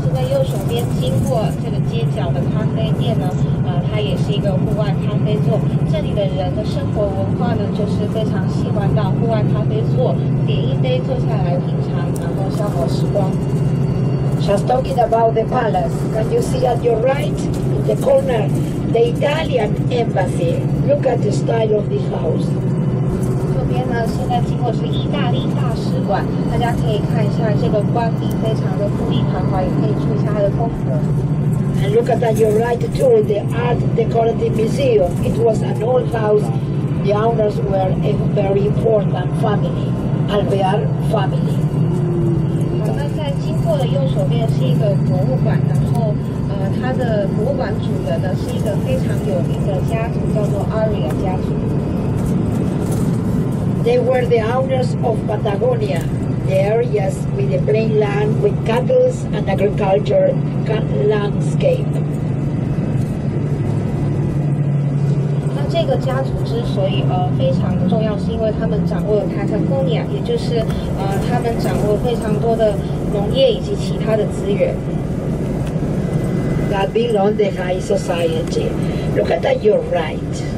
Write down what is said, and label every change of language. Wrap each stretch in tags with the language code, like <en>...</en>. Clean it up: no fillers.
<zh>右手边经过这个街角的咖啡店呢，它也是一个户外咖啡座。这里的人的生活文化呢，就是非常喜欢到户外咖啡座点一杯坐下来品尝，然后消磨时光。</zh> <en>Just talking about the palace, can you see at your right in the corner the Italian embassy? Look at the style of this house.</en> <zh>现在经过是意大利大使馆，大家可以看一下这个官邸，非常的富丽堂皇，也可以注意一下它的风格。</zh> <en>And look at that, you're right too. The Art Decorative Museum. It was an old house. The owners were a very important family, Alvear family.</en> <zh>那在经过的右手边是一个博物馆，然后它的博物馆主人呢是一个非常有名的家族，叫做 Aria 家族。</zh> <en>They were the owners of Patagonia, the areas with the plain land, with cattle and agriculture landscape.</en> <zh>那这个家族之所以非常重要，是因为他们掌握了 Patagonia， 也就是他们掌握非常多的农业以及其他的资源。</zh> <en>That belonged to high society. Look at that, you're right.</en>